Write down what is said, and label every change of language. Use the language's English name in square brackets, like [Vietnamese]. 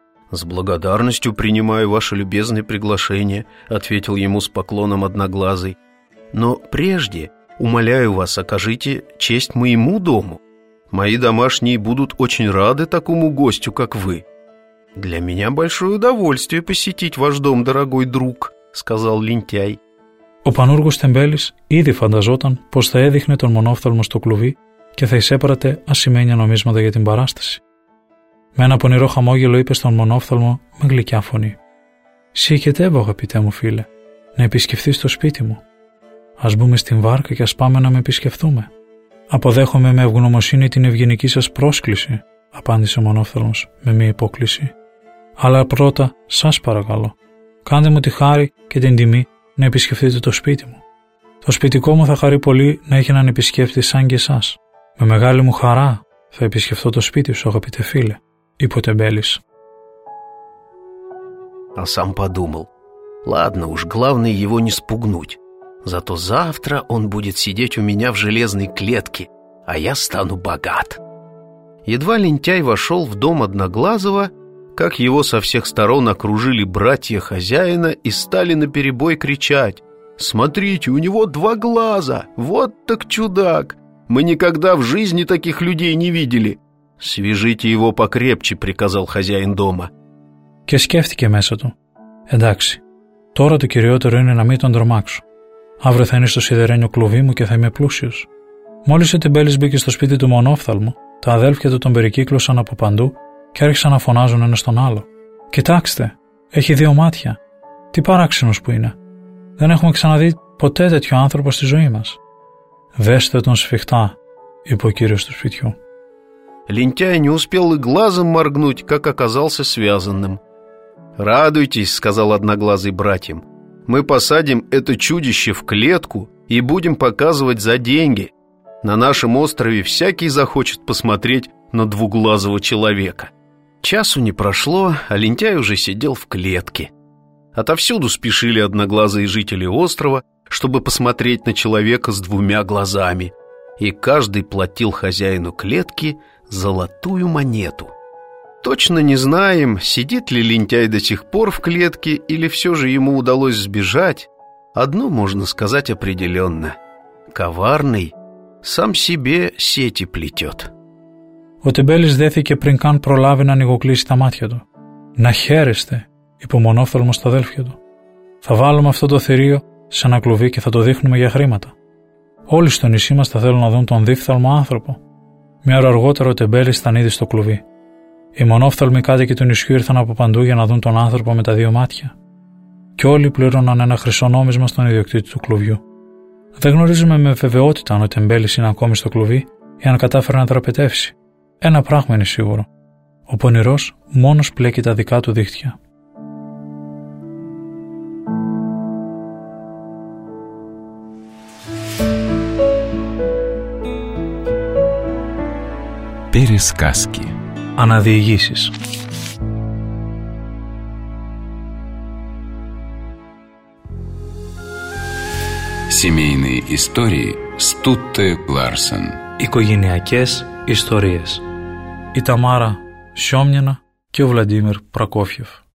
[Russian] «С благодарностью принимаю ваше любезное приглашение», — ответил ему с поклоном одноглазый. «Но прежде, умоляю вас, окажите честь моему дому. Мои домашние будут очень рады такому гостю, как вы». «Для меня большое удовольствие посетить ваш дом, дорогой друг», — сказал лентяй. [Greek] Ο πανούργος Τεμπέλης ήδη φανταζόταν πως θα έδειχνε τον μονόφθαλμο στο κλουβί και θα εισέπαρατε ασημένια νομίσματα για την παράσταση. Με ένα πονηρό χαμόγελο είπε στον μονόφθαλμο με γλυκιά φωνή: «Συγκετεύω, αγαπητέ μου φίλε, να επισκεφθείς το σπίτι μου. Ας μπούμε στην βάρκα και ας πάμε να με επισκεφθούμε. Αποδέχομαι με ευγνωμοσύνη την ευγενική σας πρόσκληση», απάντησε ο μονόφθαλμος με μία υπόκληση. «Αλλά πρώτα, σας παρακαλώ, κάντε μου τη χάρη και την τιμή να επισκεφτείτε το σπίτι μου. Το σπιτικό μου θα χαρεί πολύ να έχει έναν επισκέπτη σαν και εσάς. Με μεγάλη μου χαρά θα επισκεφτώ το σπίτι σου, αγαπητέ φίλε», είπε ο Τεμπέλης. [Russian] А сам подумал: «Ладно уж, главное его не спугнуть. Зато завтра он будет сидеть у меня в железной клетке, а я стану богат». Едва лентяй вошел в дом Одноглазого, как его со всех сторон окружили братья хозяина и стали наперебой кричать: «Смотрите, у него два глаза! Вот так чудак! Мы никогда в жизни таких людей не видели!» «Свяжите его покрепче», — приказал хозяин дома. [Greek] Και σκέφτηκε μέσα του: «Εντάξει, τώρα το κυριότερο είναι να μην τον τρομάξω. Αύριο θα είναι στο σιδερένιο κλουβί μου και θα είμαι πλούσιος». Μόλις ο Τεμπέλης μπήκε στο σπίτι του μονόφθαλμου, τα αδέλφια του τον περικύκλωσαν από παντού και άρχισαν να φωνάζουν ένας τον άλλο: «Κοιτάξτε, έχει δύο μάτια. Τι παράξενος που είναι. Δεν έχουμε ξαναδεί ποτέ τέτοιο άνθρωπο στη ζωή μας». «Δέστε τον σφιχτά», είπε ο κύριος του σπιτιού. [Russian] Лентяй не успел и глазом моргнуть, как оказался связанным. «Радуйтесь», — сказал Одноглазый братьям. «Мы посадим это чудище в клетку и будем показывать за деньги. На нашем острове всякий захочет посмотреть на двуглазого человека». Часу не прошло, а лентяй уже сидел в клетке. Отовсюду спешили одноглазые жители острова, чтобы посмотреть на человека с двумя глазами. И каждый платил хозяину клетки золотую монету. Точно не знаем, сидит ли лентяй до сих пор в клетке или все же ему удалось сбежать. Одно можно сказать определенно: коварный сам себе сети плетет. [Greek] Ο Τεμπέλης δέθηκε πριν καν προλάβει να ανοιγοκλείσει τα μάτια του. «Να χαίρεστε», είπε ο μονόφθαλμος στα αδέλφια του. «Θα βάλουμε αυτό το θηρίο σε ένα κλουβί και θα το δείχνουμε για χρήματα. Όλοι στο νησί μας θα θέλουν να δουν τον δίφθαλμο άνθρωπο». Μια ώρα αργότερα ο Τεμπέλης ήταν ήδη στο κλουβί. Οι μονόφθαλμοι κάτοικοι του νησιού ήρθαν από παντού για να δουν τον άνθρωπο με τα δύο μάτια. Και όλοι πλήρωναν ένα χρυσό νόμισμα στον ιδιοκτήτη του κλουβιού. Δεν γνωρίζουμε με βεβαιότητα αν ο Τεμπέλης είναι ακόμη στο κλουβί ή αν κατάφερε να δραπετεύσει. Ένα πράγμα είναι σίγουρο: ο πονηρός μόνος πλέκει τα δικά του δίχτυα. [Russian] Пересказки. [Greek] Αναδιηγήσεις. [Russian] Семейные истории Стутте Ларсен. [Greek] Οικογενειακές ιστορίες. Η Ταμάρα Σιόμνινα και ο Βλαντίμιρ Πρακόφιεφ.